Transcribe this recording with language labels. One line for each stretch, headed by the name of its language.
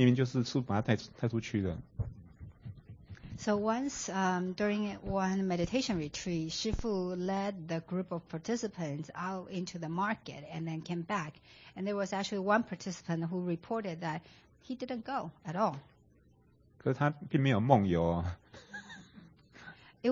Chinese: 我记得有一次打禅期，有菩萨，他们师父就带他们出去去市场再走回来。那个人说他没有去呢，可是他明明就是师父把他带出去的。
English: So once during one meditation retreat, Shifu led the group of participants out into the market and then came back. And there was actually one participant who reported that he didn't go at all.
Chinese: 可是他并没有梦游。It